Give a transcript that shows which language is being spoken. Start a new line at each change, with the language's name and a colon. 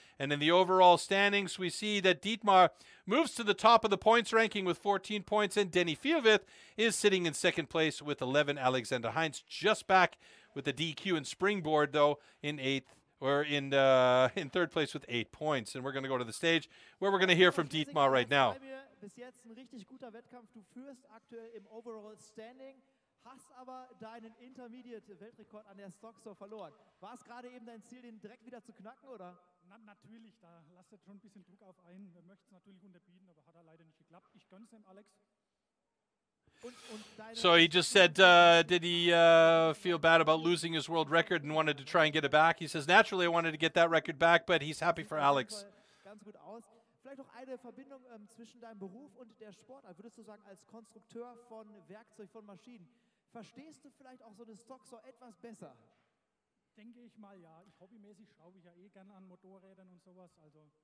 English: And in the overall standings, we see that Dietmar moves to the top of the points ranking with 14 points, and Danny Fielwerts is sitting in second place with 11. Alexander Heinz just back with a DQ and springboard, though, in eighth. We're in third place with 8 points, and we're going to go to the stage where we're going to hear from Dietmar right now.
German: Bis jetzt ein richtig guter Wettkampf. Du führst aktuell im Overall Standing, hast aber deinen Intermediate-Weltrekord an der Stocksaw verloren. War es gerade eben dein Ziel, den direkt wieder zu knacken, oder? Na, natürlich, da lasst er schon ein bisschen Druck auf ein. Er möchte es natürlich unterbieten, aber hat er leider nicht geklappt. Ich gönn's dem Alex.
English: So he just said, did he feel bad about losing his world record and wanted to try and get it back? He says, naturally, I wanted to get that record back, but he's happy for Alex.
German: Vielleicht noch eine Verbindung zwischen deinem Beruf und der Sportart. Würdest du sagen, als Konstrukteur von Werkzeug, von Maschinen, verstehst du vielleicht auch so eine Stocksaw etwas besser? Denke ich mal, ja. Ich hobbymäßig schraube ich ja eh gerne an Motorrädern und sowas, also...